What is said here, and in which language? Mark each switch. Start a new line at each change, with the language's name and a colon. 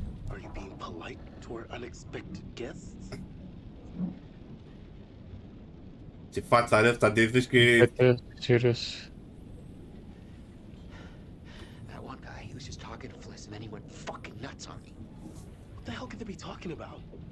English: Are you being polite to our unexpected guests?
Romanian: Ce față are ăsta de zici că e...
English: Serious. That one guy, he was just talking to Fliss and then he went fucking nuts on me. What the hell could they be talking about?